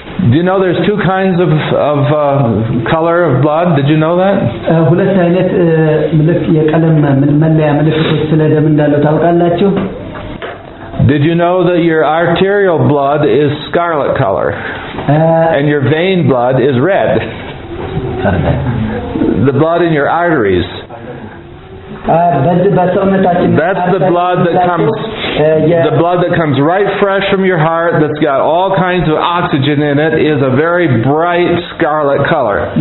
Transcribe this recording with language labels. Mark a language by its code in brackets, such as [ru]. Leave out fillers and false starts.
[en] Do you know there's two kinds of color of blood? Did you know that? [am] ሁለት አይነት ምልክ የቀለም መለያ ምልክቶች ስለደም እንዳለው ታውቃላችሁ? [en] Did you know that your arterial blood is scarlet color? And your vein blood is red. The blood in your arteries. That's the blood that comes the blood that comes right fresh from your heart that's got all kinds of oxygen in it is a very bright scarlet color.